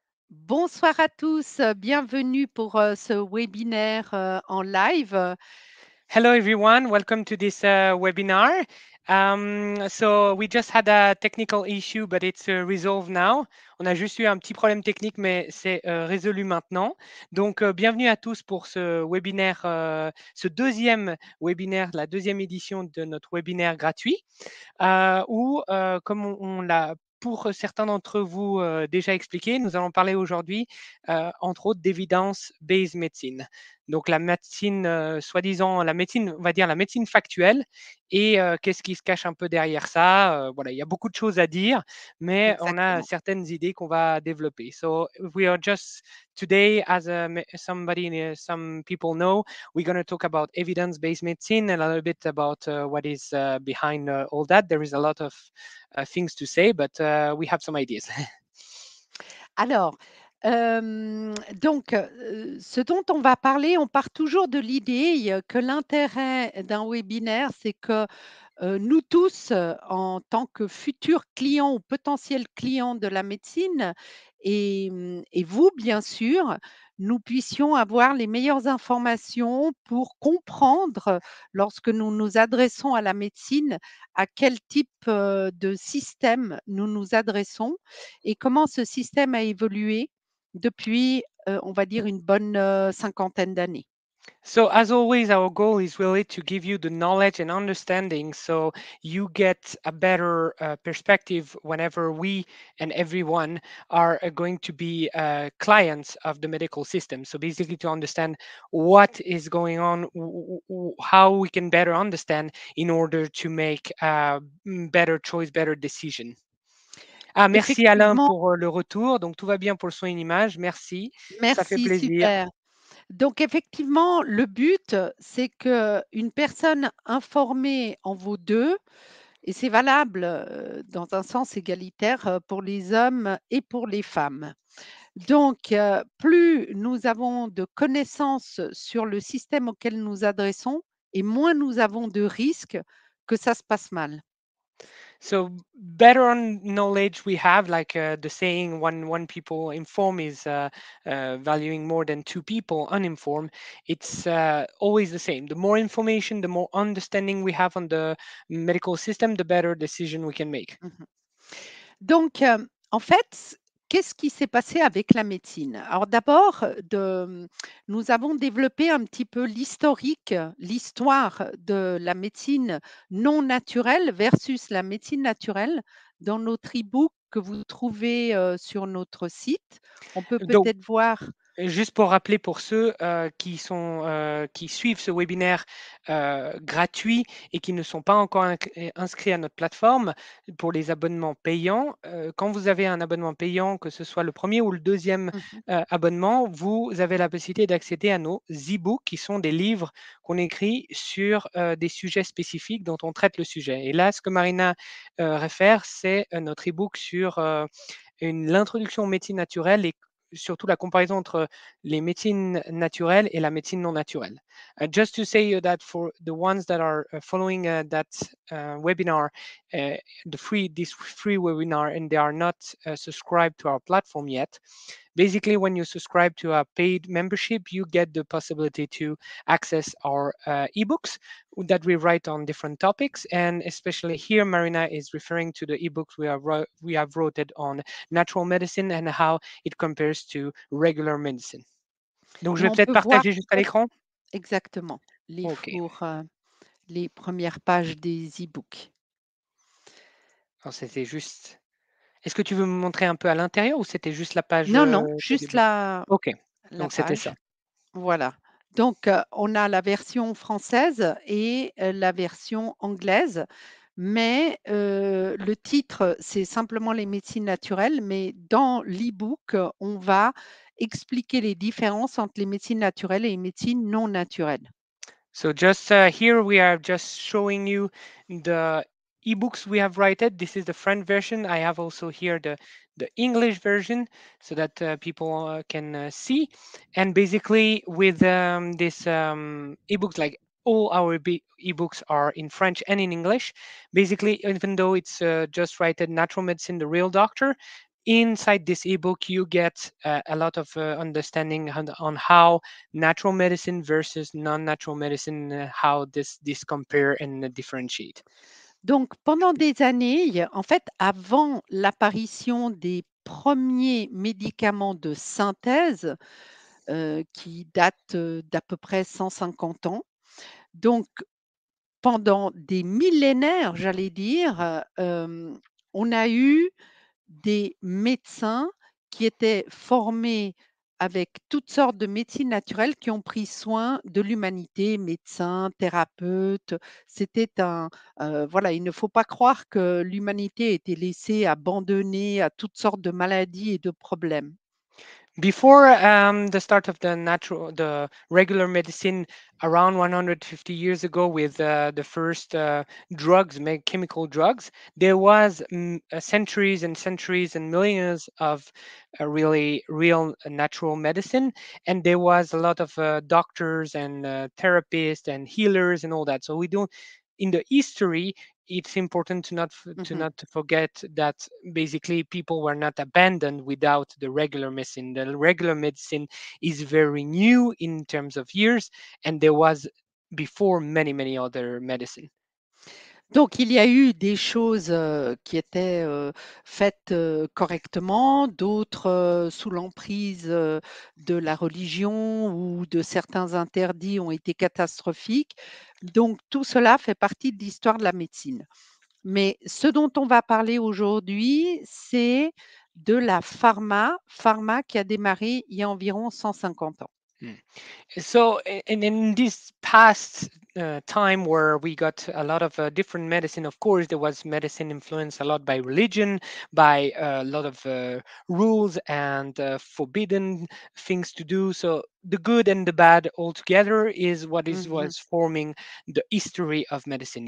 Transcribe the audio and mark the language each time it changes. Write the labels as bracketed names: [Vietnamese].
[French] Bonsoir à tous, bienvenue pour ce webinaire en live. [English] Hello everyone, welcome to this webinar. So we just had a technical issue, but it's resolved now. [French] On a juste eu un petit problème technique, mais c'est résolu maintenant. Donc bienvenue à tous pour ce webinaire, ce deuxième webinaire, la deuxième édition de notre webinaire gratuit, comme on l'a pour certains d'entre vous déjà expliqué, nous allons parler aujourd'hui, entre autres, d'evidence-based medicine. Donc, la médecine, soi-disant, la médecine, on va dire la médecine factuelle, et qu'est-ce qui se cache un peu derrière ça. Voilà, il y a beaucoup de choses à dire, mais Exactement. On a certaines idées qu'on va développer. [English] So, we are just today, as somebody, some people know, we're going to talk about evidence-based medicine and a little bit about what is behind all that. There is a lot of things to say, but we have some ideas. [French] Alors, donc, ce dont on va parler, on part toujours de l'idée que l'intérêt d'un webinaire, c'est que nous tous, en tant que futurs clients ou potentiels clients de la médecine, et vous, bien sûr, nous puissions avoir les meilleures informations pour comprendre, lorsque nous nous adressons à la médecine, à quel type de système nous nous adressons et comment ce système a évolué depuis, on va dire, une bonne cinquantaine d'années. [English] So as always, our goal is really to give you the knowledge and understanding so you get a better perspective whenever we and everyone are going to be clients of the medical system. So basically to understand what is going on, how we can better understand in order to make a better choice, better decision. [French] Ah, merci Alain pour le retour. Donc tout va bien pour le son et l'image. Merci. Merci, ça fait plaisir. Super. Donc effectivement, le but, c'est qu'une personne informée en vaut deux, et c'est valable dans un sens égalitaire pour les hommes et pour les femmes. Donc, plus nous avons de connaissances sur le système auquel nous adressons, et moins nous avons de risques que ça se passe mal. [English] So better knowledge we have, like the saying, one people inform is valuing more than two people uninformed. It's always the same. The more information, the more understanding we have on the medical system, the better decision we can make. Mm-hmm. [French] Donc, en fait, qu'est-ce qui s'est passé avec la médecine? Alors d'abord, nous avons développé un petit peu l'historique, l'histoire de la médecine non naturelle versus la médecine naturelle dans notre e-book que vous trouvez sur notre site. On peut peut-être Donc, voir… Juste pour rappeler pour ceux qui suivent ce webinaire gratuit et qui ne sont pas encore inscrits à notre plateforme, pour les abonnements payants, quand vous avez un abonnement payant, que ce soit le premier ou le deuxième abonnement, vous avez la possibilité d'accéder à nos e-books qui sont des livres qu'on écrit sur des sujets spécifiques dont on traite le sujet. Et là, ce que Marina réfère, c'est notre e-book sur l'introduction aux médecines naturelles et surtout la comparaison entre les médecines naturelles et la médecine non naturelle. [English] Just to say that for the ones that are following that webinar, this free webinar, and they are not subscribed to our platform yet, basically when you subscribe to a paid membership, you get the possibility to access our e-books that we write on different topics. And especially here, Marina is referring to the e-books we have wrote on natural medicine and how it compares to regular medicine. [French] Donc, je vais peut-être partager juste à l'écran. Exactement. Les okay. Pour les premières pages des e-books. Alors, c'était juste… Est-ce que tu veux me montrer un peu à l'intérieur ou c'était juste la page… Non, non, juste la… Ok, la donc page. C'était ça. Voilà. Donc, on a la version française et la version anglaise. Mais le titre, c'est simplement les médecines naturelles. Mais dans l'e-book, on va expliquer les différences entre les médecines naturelles et les médecines non naturelles. [English] So just here, we are just showing you the e-books we have written. This is the French version. I have also here the English version so that people can see. And basically with this e-books, like all our e-books are in French and in English. Basically, even though it's just written natural medicine, the real doctor, Inside this ebook, you get a lot of understanding on how natural medicine versus non-natural medicine, how this compare and differentiate. [French] Donc, pendant des années, en fait, avant l'apparition des premiers médicaments de synthèse, qui datent d'à peu près 150 ans, donc pendant des millénaires, j'allais dire, on a eu des médecins qui étaient formés avec toutes sortes de médecines naturelles qui ont pris soin de l'humanité, médecins, thérapeutes. C'était voilà, il ne faut pas croire que l'humanité a été laissée abandonnée à toutes sortes de maladies et de problèmes. [English] Before the start of the regular medicine around 150 years ago with the first drugs, chemical drugs, there was centuries and centuries and millions of real natural medicine, and there was a lot of doctors and therapists and healers and all that. So we don't, in the history, it's important to not forget that basically people were not abandoned without the regular medicine. The regular medicine is very new in terms of years, and there was before many, many other medicine. [French] Donc, il y a eu des choses qui étaient faites correctement, d'autres sous l'emprise de la religion ou de certains interdits ont été catastrophiques. Donc, tout cela fait partie de l'histoire de la médecine. Mais ce dont on va parler aujourd'hui, c'est de la pharma qui a démarré il y a environ 150 ans. [English] So, and in this past time where we got a lot of different medicine, of course, there was medicine influenced a lot by religion, by a lot of rules and forbidden things to do. So the good and the bad all together is what was forming the history of medicine.